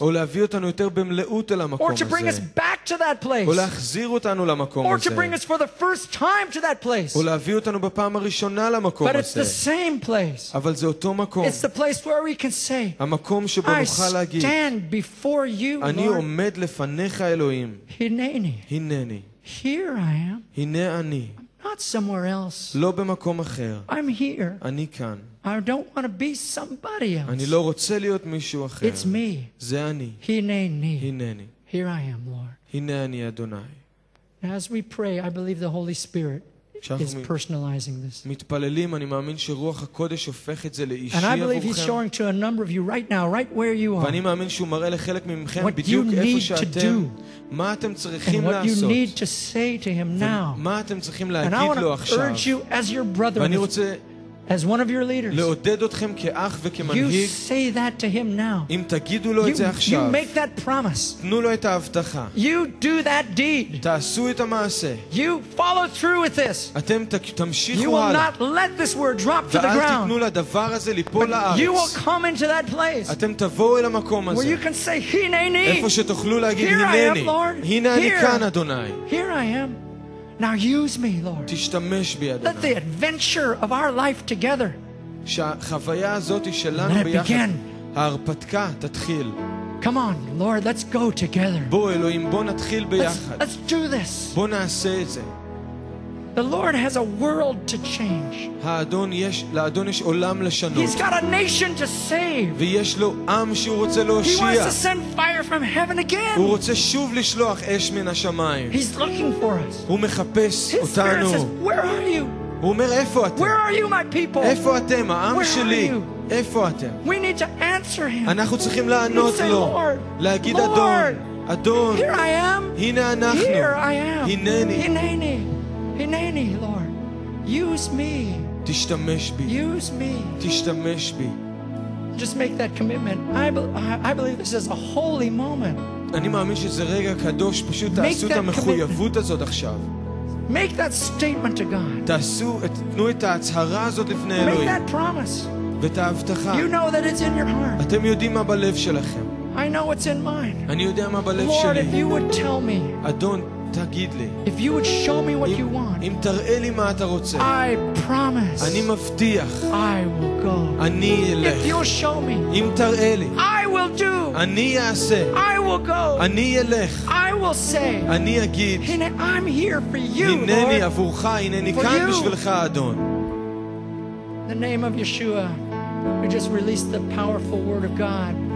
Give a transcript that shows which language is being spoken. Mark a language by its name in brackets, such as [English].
[Hebrew] או להביא אותנו יותר במלאות אל המקום הזה. [English] Or to bring us back to that place. [Hebrew] או להחזיר אותנו למקום הזה. [English] Or to bring us for the first time to that place. [Hebrew] או להביא אותנו בפעם הראשונה למקום הזה. [English] But it's the same place. [Hebrew] אבל זה אותו מקום. [English] It's the place where we can say. [Hebrew] המקום [English] I stand before you, Lord. [Hebrew] אני עומד לפניך, אלוהים. הנני. הנני. [English] Here I am. [Hebrew] הנה אני. [English] Not somewhere else. [Hebrew] לא במקום אחר. [English] I'm here. [Hebrew] אני כאן. [English] I don't want to be somebody else. [Hebrew] אני לא רוצה להיות מישהו אחר. [English] It's me. [Hebrew] זה אני. הנני. הנני. [English] Here I am, Lord. [Hebrew] הנה אני, אדוני. [English] As we pray, I believe the Holy Spirit is personalizing this. [Hebrew] מתפללים, אני מאמין שרוח הקודש הופך את זה לאישי עבורכם. [English] And I believe he's showing to a number of you right now, right where you are. [Hebrew] ואני מאמין שהוא מראה לחלק ממכם בדיוק איפה שאתם. מה אתם צריכים לעשות? [English] And what you need to say to him now. [Hebrew] מה אתם צריכים להגיד לו עכשיו? [English] And I urge you as your brother. [Hebrew] ואני רוצה [English] as one of your leaders. [Hebrew] לעודד אתכם כאח וכמנהיג. [English] You say that to him now. [Hebrew] אם תגידו לו את זה עכשיו. [English] You make that promise. [Hebrew] תנו לו את ההבטחה. [English] You do that deed. [Hebrew] תעשו את המעשה. [English] You follow through with this. [Hebrew] אתם תמשיכו הלאה. [English] You will not let this word drop to the ground. [Hebrew] ואל תתנו לדבר הזה ליפול לארץ. [English] You will come into that place. [Hebrew] אתם תבואו אל המקום הזה. [English] Where you can say, "הנני." [Hebrew] איפה שתוכלו להגיד, "הנני." הנה אני כאן, אדוני. [English] Here I am. Now use me, Lord. [Hebrew] תשתמש בי, אדוני. [English] Let the adventure of our life together. [Hebrew] שהחוויה הזאת שלנו ביחד. ההרפתקה תתחיל. [English] Come on, Lord, let's go together. [Hebrew] בוא, אלוהים, בוא נתחיל ביחד. [English] Let's do this. [Hebrew] בוא נעשה את זה. [English] The Lord has a world to change. [Hebrew] האדון יש, לאדון יש עולם לשנות. [English] He's got a nation to save. [Hebrew] ויש לו עם שהוא רוצה להושיע. [English] He wants to send fire from heaven again. [Hebrew] הוא רוצה שוב לשלוח אש מן השמיים. [English] He's looking for us. [Hebrew] הוא מחפש אותנו. [English] Says, where are you? [Hebrew] הוא אומר, איפה אתם? [English] Where are you, my people? [Hebrew] איפה אתם, העם שלי? איפה אתם? [English] We need to answer him. [Hebrew] אנחנו צריכים לענות לו. להגיד, אדון, אדון. [English] Here I am. [Hebrew] הנה אנחנו. [English] Here I am. [Hebrew] הנני. [English] הנני. Hineni, Lord, use me. [Hebrew] תשתמש בי. [English] Use me. [Hebrew] תשתמש בי. [English] Just make that commitment. I believe this is a holy moment. [Hebrew] אני מאמין שזה רגע קדוש, פשוט תעשו את המחויבות הזאת עכשיו. [English] Make that statement to God. [Hebrew] תעשו, תנו את ההצהרה הזאת לפני אלוהים. [English] Make that promise. [Hebrew] ואת ההבטחה. [English] You know that it's in your heart. [Hebrew] אתם יודעים מה בלב שלכם. [English] I know it's in mine. [Hebrew] אני יודע מה בלב שלי. [English] Lord, if you would tell me. [Hebrew] אדון, תגיד לי. [English] If you would show me what you want. [Hebrew] אם תראה לי מה אתה רוצה. [English] I promise. [Hebrew] אני מבטיח. [English] I will go. [Hebrew] אני אלך. [English] If you will show me. [Hebrew] אם תראה לי. [English] I will do. [Hebrew] אני אעשה. [English] I will go. [Hebrew] אני אלך. [English] I will say. [Hebrew] אני אגיד. [English] I'm here for you, Lord. [Hebrew] הנני עבורך, הנני כאן בשבילך, אדון. [English] The name of Yeshua. We just released the powerful word of God.